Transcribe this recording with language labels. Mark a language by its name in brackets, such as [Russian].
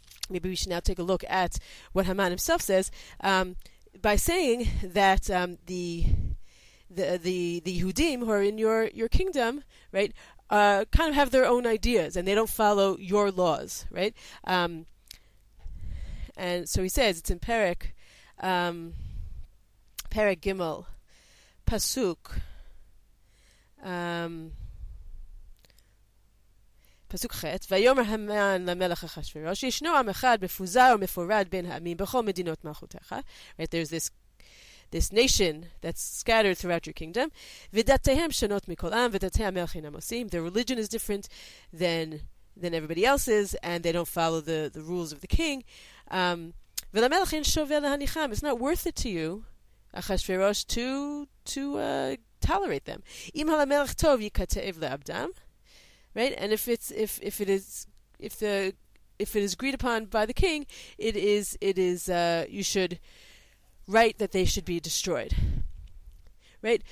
[English] maybe we should now take a look at what Haman himself says by saying that the Yehudim who are in your kingdom, right, kind of have their own ideas and they don't follow your laws, right? And so he says, it's in Perek Gimel, Pasuk... [Hebrew] פסוק ח' ויאמר המן למלך אחשוורוש ישנו עם אחד מפוזר ומפורד בין העמים בכל מדינות מלכותך. [English] Right, there's this nation that's scattered throughout your kingdom. [Hebrew] ודתיהם שונות מכל עם ודתי המלך אינם עושים. [English] Their religion is different than everybody else's, and they don't follow the rules of the king. [Hebrew] ולמלך אין שווה להניחם. [English] It's not worth it to you, אחשוורוש, to tolerate them. [Hebrew] Im ha'lamelech tov yikatev le'abdam, [English] right? And if it is agreed upon by the king, you should write that they should be destroyed, right?